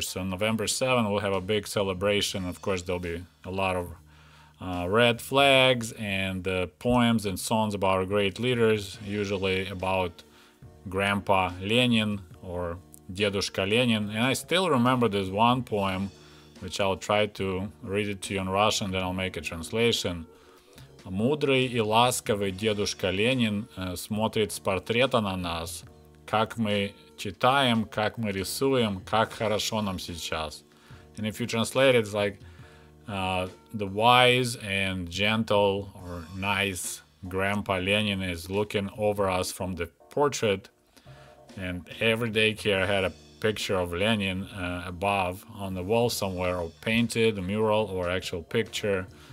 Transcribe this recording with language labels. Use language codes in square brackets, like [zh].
[en] So November 7 we'll have a big celebration. Of course, there'll be a lot of red flags and poems and songs about our great leaders, usually about Grandpa Lenin or Дедушка Ленин. And I still remember this one poem, which I'll try to read it to you in Russian, then I'll make a translation. [ru] Мудрый и ласковый дедушка Ленин смотрит с портрета на нас, как мы читаем, как мы рисуем, как хорошо нам сейчас. [en] And if you translate it, it's like the wise and gentle or nice Grandpa Lenin is looking over us from the portrait, and every daycare had a picture of Lenin above on the wall somewhere, or painted, a mural, or actual picture.